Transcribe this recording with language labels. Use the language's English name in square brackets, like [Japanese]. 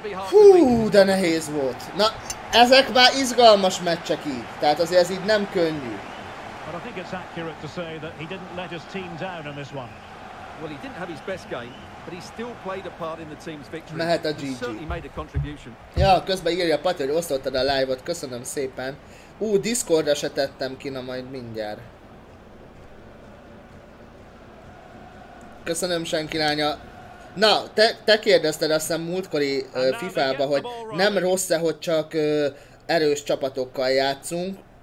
[Hungarian] Hú, de nehéz volt. Na, ezek már izgalmas meccsek így. Tehát azért ez így nem könnyű. [English] But I think it's accurate to say that he didn't let his team down in this one. Well, he didn't have his best game, but he still played a part in the team's victory. [Hungarian] Mehet a GG. [English] He made a contribution. [Hungarian] Ja, közben írja Pati, hogy osztottad a live-ot. Köszönöm szépen. Ú, Discordra se tettem ki, na majd mindjárt. Köszönöm senki lánya. Na, te kérdezted azt hiszem múltkori FIFA-ba, hogy nem rossz-e, hogy csak erős csapatokkal játszunk.